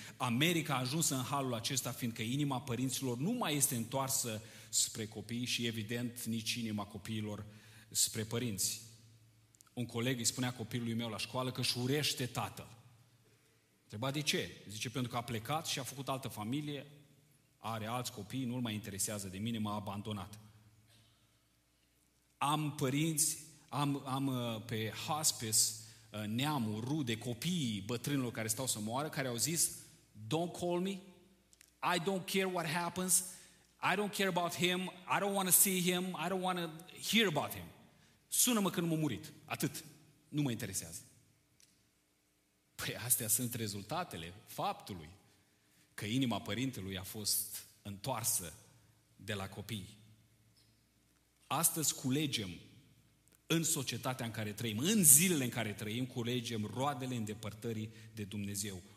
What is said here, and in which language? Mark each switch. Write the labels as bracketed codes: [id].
[ro] America a ajuns în halul acesta fiindcă inima părinților nu mai este întoarsă spre copii și evident nici inima copiilor spre părinți. Un coleg îi spunea copilului meu la școală că își urește tatăl. Întreba de ce? Zice pentru că a plecat și a făcut altă familie, are alți copii, nu-l mai interesează de mine, m-a abandonat. Am părinți, am pe hospice neamul, rude, copiii bătrânilor care stau să moară, care au zis [en] don't call me, I don't care what happens, I don't care about him, I don't want to see him, I don't want to hear about him. [ro] Sună-mă când m-am murit. Atât. Nu mă interesează. Păi astea sunt rezultatele faptului că inima părintelui a fost întoarsă de la copii. Astăzi culegem în societatea în care trăim, în zilele în care trăim, culegem roadele îndepărtării de Dumnezeu.